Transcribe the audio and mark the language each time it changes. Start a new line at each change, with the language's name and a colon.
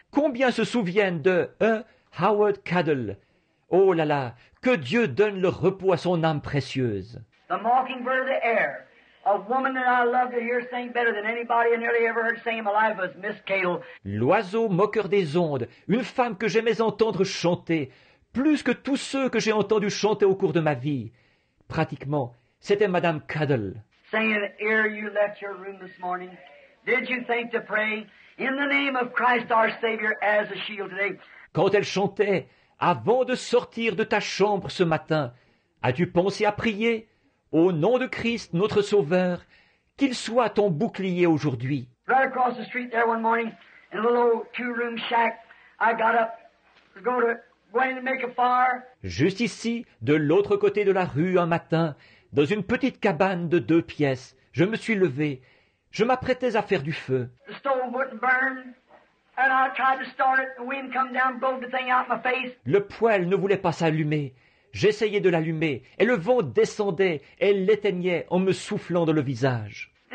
French: Combien se souviennent de E. Howard Cadle? Oh là là, que Dieu donne le repos à son âme précieuse.
English: The mockingbird of the air. A woman that I love to hear sing better than anybody I nearly ever heard sing in my life was Miss Cadle.
French: L'oiseau moqueur des ondes, une femme que j'aimais entendre chanter, plus que tous ceux que j'ai entendu chanter au cours de ma vie. Pratiquement, c'était Madame Cadle.
English: Saying, ere you left your room this morning, did you think to pray in the name of Christ our Savior as a shield today?
French: Quand elle chantait, avant de sortir de ta chambre ce matin, as-tu pensé à prier? Au nom de Christ, notre Sauveur, qu'il soit ton bouclier aujourd'hui.
English: Right across the street there one morning, in a little old two-room shack, I got up to go to going to make a fire.
French: Juste ici, de l'autre côté de la rue un matin, dans une petite cabane de deux pièces, je me suis levé. Je m'apprêtais à faire du feu.
English: The stove wouldn't burn, and I tried to start it, the wind come down, blew the thing out my face.
French: Le poêle ne voulait pas s'allumer. J'essayais de l'allumer, et le vent descendait et l'éteignait en me soufflant dans le visage.